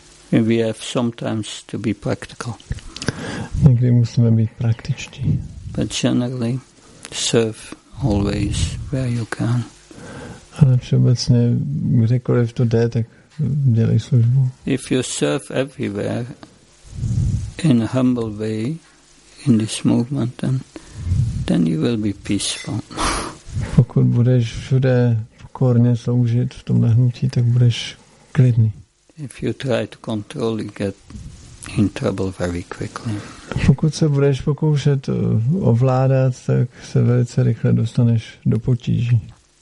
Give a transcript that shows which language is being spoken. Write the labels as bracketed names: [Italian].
[English] We have sometimes to be practical. [Czech] Někdy musíme být praktičtí. [English] But generally, serve always where you can. [Czech] Ale všeobecně, kdekoliv to jde, tak dělej službu. [English] If you serve everywhere in a humble way, in this movement, then you will be peaceful. [Czech] Pokud budeš všude pokorně sloužit v tomhle hnutí, tak budeš klidný. [English] If you try to control, you get in trouble very quickly. [Czech] Pokud se budeš pokoušet ovládat, tak se velice rychle dostaneš do potíží.